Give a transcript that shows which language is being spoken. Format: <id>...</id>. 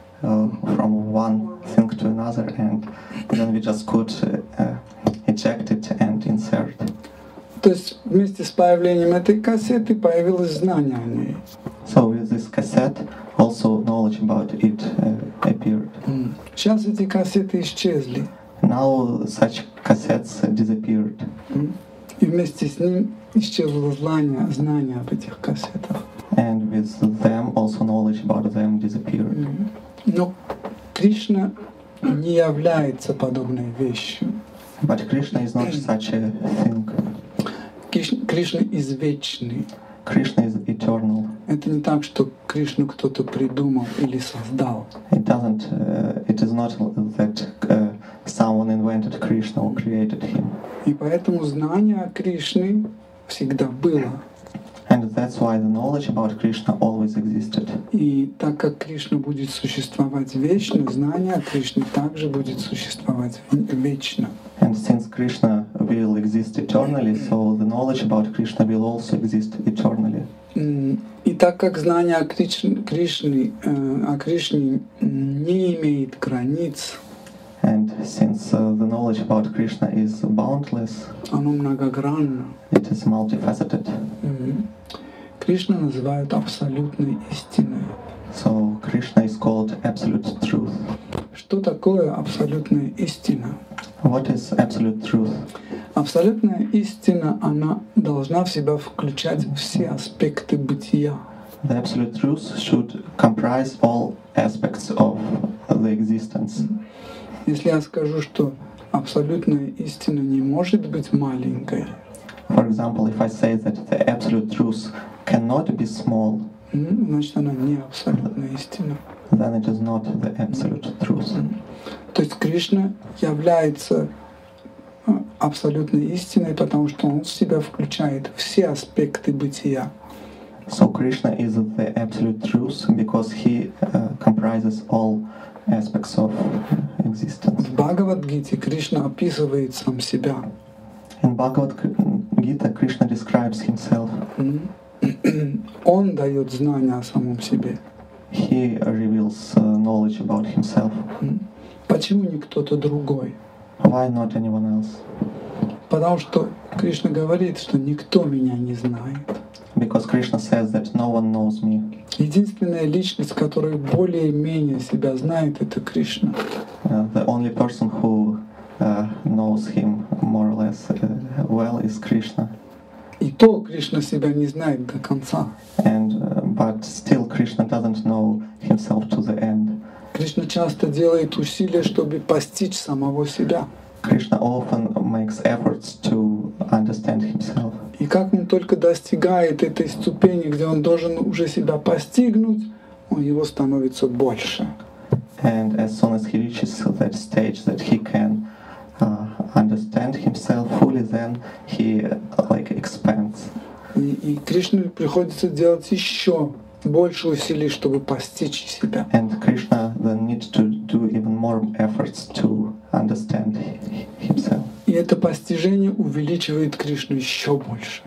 <en>from one thing to another, and then we just could eject it and insert.</en> <ru>То есть вместе с появлением этой кассеты появилось знание о ней.</ru> <en>So with this cassette, also knowledge about it appeared.</en> <ru>Сейчас эти кассеты исчезли.</ru> <en>Now such cassettes disappeared.</en> <ru>И вместе с ним исчезло знание, знание об этих кассетах.</ru> <en>And with them also knowledge about them disappeared. Mm-hmm.</en> <ru>Но Кришна не является подобной вещью.</ru> <en>But Krishna is not such a thing.</en> <ru>Кришна is вечный.</ru> <en>Krishna is eternal.</en> <ru>Это не так, что Кришну кто-то придумал или создал.</ru> <en>It is not that someone invented Krishna or created him.</en> <ru>И поэтому знание о Кришне всегда было.</ru> <en>And that's why the knowledge about Krishna always existed.</en> <ru>И так как Кришна будет существовать вечно, знание о Кришне также будет существовать вечно.</ru> <en>And since Krishna will exist eternally, so the knowledge about Krishna will also exist eternally.</en> <ru>И так как знание о Кришне не имеет границ,</ru> <en>and since the knowledge about Krishna is boundless,</en> <ru>оно многогранно,</ru> <en>it is multifaceted.</en> <ru>Кришна называют абсолютной истиной.</ru> <en>So Krishna is called absolute truth.</en> <ru>Что такое абсолютная истина?</ru> <en>What is absolute truth?</en> <ru>Абсолютная истина, она должна в себя включать все аспекты бытия.</ru> <en>The absolute truth should comprise all aspects of the existence.</en> <ru>Если я скажу, что абсолютная истина не может быть маленькой.</ru> <en>For example, if I say that the absolute truth cannot be small.</en> <ru>Значит, она не абсолютная истина.</ru> <en>Then it is not the absolute truth.</en> <ru>То есть Кришна является абсолютной истиной, потому что он в себя включает все аспекты бытия.</ru> <en>So Krishna is the absolute truth because he comprises all aspects of existence.</en> <ru>В Бхагавад-гите Кришна описывает сам себя.</ru> <en>In Bhagavad-gita Krishna describes himself.</en> <ru>Он дает знания о самом себе.</ru> <en>He reveals knowledge about himself.</en> <ru>Почему не кто-то другой?</ru> <en>Why not anyone else?</en> <ru>Потому что Кришна говорит, что никто меня не знает.</ru> <en>Because Krishna says that no one knows me.</en> <ru>Единственная личность, которая более-менее себя знает, это Кришна.</ru> <en>The only person who knows him more or less well is Krishna.</en> <ru>И то Кришна себя не знает до конца.</ru> <en>And but still Krishna doesn't know himself to the end.</en> <ru>Кришна часто делает усилия, чтобы постичь самого себя.</ru> <en>Krishna often makes efforts to understand himself.</en> <ru>И как он только достигает этой ступени, где он должен уже себя постигнуть, он его становится больше.</ru> <en>And as soon as he reaches that stage that he can understand himself fully, then he like expands.</en> <ru>И Кришне приходится делать еще больше усилий, чтобы постичь себя.</ru> <en>And Krishna then needs to do even more efforts to understand himself.</en> <ru>И это постижение увеличивает Кришну еще больше.</ru>